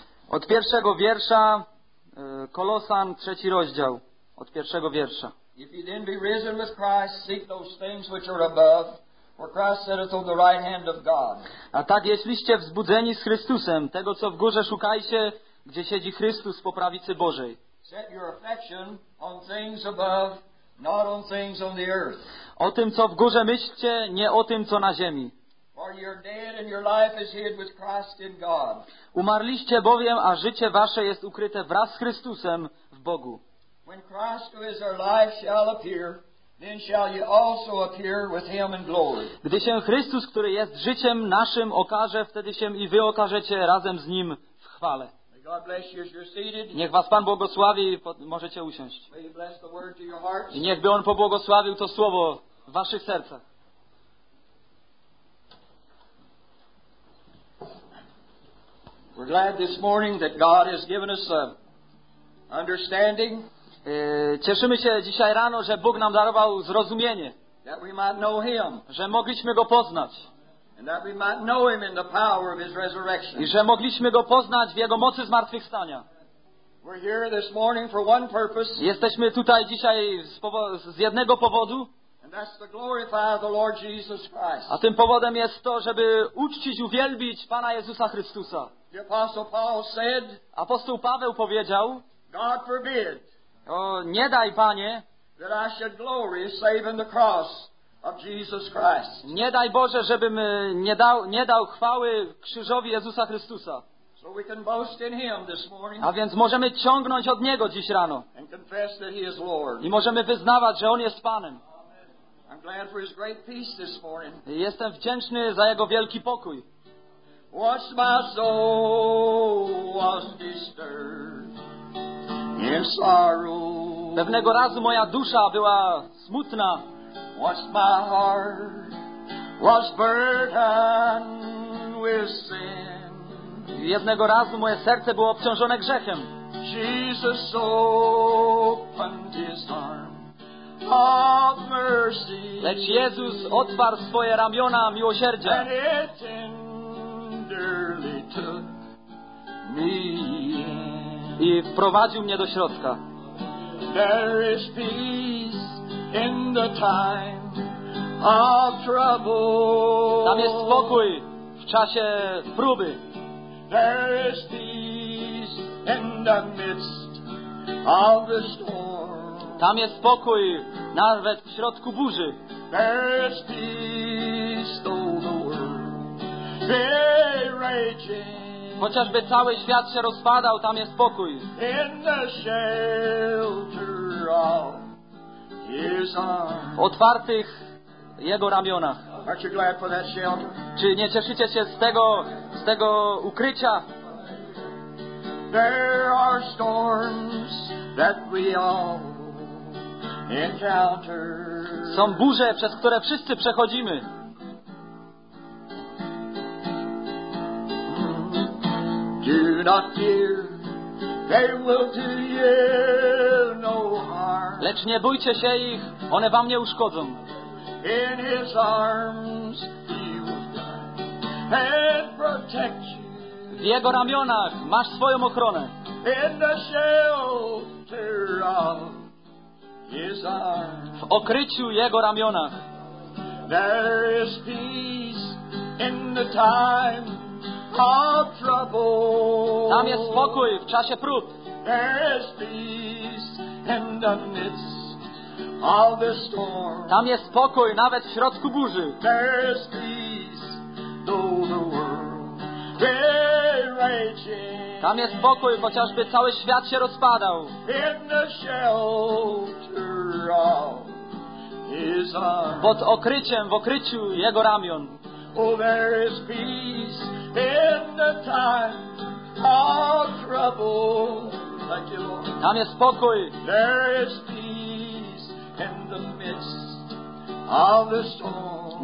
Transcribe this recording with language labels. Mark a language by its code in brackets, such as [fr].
[pl] Od pierwszego wiersza, Kolosan, trzeci rozdział, od pierwszego wiersza. [en] If you then be risen with Christ, seek those things which are above. For Christ sitteth on the right hand of God. [pl] A tak, jesteście wzbudzeni z Chrystusem, tego co w górze szukajcie, gdzie siedzi Chrystus po prawicy Bożej. [en] Set your affection on things above, not on things on the earth. [pl] O tym, co w górze myślcie, nie o tym, co na ziemi. [en] For you are dead and your life is hid with Christ in God. [pl] Umarliście bowiem, a życie wasze jest ukryte wraz z Chrystusem w Bogu. [en] When Christ, who is our life, shall appear, then shall you also appear with him in glory. [pl] Gdy się Chrystus, który jest życiem naszym, okaże, wtedy się i wy okażecie razem z nim w chwale. [en] God bless you as you're seated. [pl] Niech was Pan błogosławi, możecie usiąść. [en] May he bless the word to your hearts. [pl] I niech by On pobłogosławił to słowo w waszych sercach. [en] We're glad this morning that God has given us understanding. [pl] Cieszymy się dzisiaj rano, że Bóg nam darował zrozumienie. [en] That we might know him. [pl] Że mogliśmy Go poznać. [en] That we might know him in the power of his resurrection. [pl] I że mogliśmy go poznać w jego mocy zmartwychwstania. [en] We're here this morning for one purpose. [pl] Jesteśmy tutaj dzisiaj z jednego powodu. [en] And that's to glorify the Lord Jesus Christ. [pl] A tym powodem jest to, żeby uczcić, uwielbić Pana Jezusa Chrystusa. [en] The Apostle Paul said, [pl] apostoł Paweł powiedział, [en] God forbid, [pl] o, nie daj Panie, [en] that I should glory save in the cross. Of Jesus Christ. [pl] Nie daj Boże, żebym nie dał chwały krzyżowi Jezusa Chrystusa. [en] So we can boast in him this morning. [pl] A więc możemy ciągnąć od Niego dziś rano. [en] And confess that he is Lord. [pl] I możemy wyznawać, że On jest Panem. [en] I'm glad for his great peace this morning. [pl] Jestem wdzięczny za Jego wielki pokój. [en] Once my soul was disturbed in sorrow. [pl] Pewnego razu moja dusza była smutna. [en] Once my heart was burdened with sin. [pl] Jednego razu moje serce było obciążone grzechem. [en] Jesus opened his arm of mercy. [pl] Lecz Jezus otwarł swoje ramiona miłosierdzia. [en] And it tenderly took me in. [pl] I wprowadził mnie do środka. [en] There is peace in the time of trouble. [pl] Tam jest spokój w czasie próby. [en] There is peace in the midst of the storm. [pl] Tam jest spokój, nawet w środku burzy. [en] There's peace though the world be raging. [pl] Chociażby cały świat się rozpadał, tam jest spokój. [en] In the shelter of his arms. [pl] W otwartych jego ramionach. [en] Aren't you glad for that shelter? [pl] Czy nie cieszycie się z tego ukrycia? [en] There are storms that we all encounter. [pl] Są burze, przez które wszyscy przechodzimy. [en] Do not fear, they will do you no harm. [pl] Lecz nie bójcie się ich, one wam nie uszkodzą. [en] In his arms he will die and protect you. [pl] W jego ramionach masz swoją ochronę. [en] In the shelter of his arms. [pl] W okryciu jego ramionach. [en] There is peace in the time of trouble. [pl] Tam jest spokój w czasie prób. [en] There is peace in the midst of the storm. [pl] Tam jest spokój nawet w środku burzy. [en] There is peace though the world be raging. [pl] Tam jest spokój, chociażby cały świat się rozpadał. [en] In the shelter of his arms. [pl] Pod okryciem, w okryciu jego ramion. [en] Oh, there is peace in the time of trouble. Thank you, Lord. [pl] Tam jest spokój. [en] There is peace in the midst of the storm.